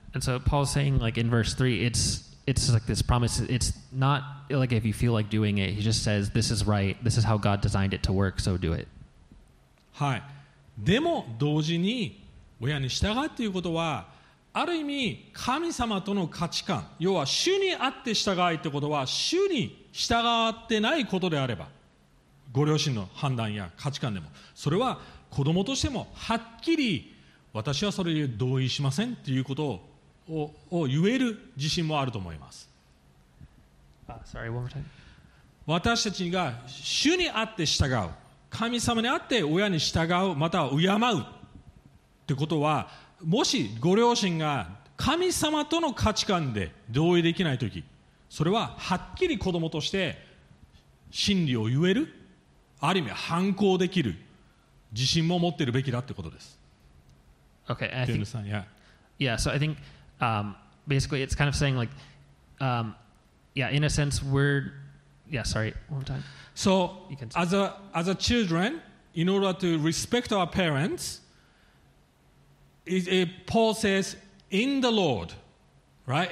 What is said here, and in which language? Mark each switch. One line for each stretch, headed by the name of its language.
English: And so Paul is saying like in verse 3, It's like this promise. It's not like if you feel like doing it. He just says, this is right. This is how God designed it to work. So do it.
Japanese: はい。でも同時に親に従うということはある意味神様との価値観、要は主にあって従いということは主に従ってないことであればご両親の判断や価値観でも、それは子供としてもはっきり私はそれに同意しませんということを言える自信もあると思います。
English: Sorry, one more time.
Japanese: 私たちが主にあって従う、神様にあって親に従う、または敬うってことは、もしご両親が神様との価値観で同意できないとき、それははっきり子供として真理を言える、ある意味反抗できる自信も持っているべきだってことです。
English: Okay, I think, yeah, so I think, basically it's kind of saying like, yeah, in a sense, we're, yeah, sorry, one time. So, as a children, in order to respect our parents, Paul says, in the Lord, right?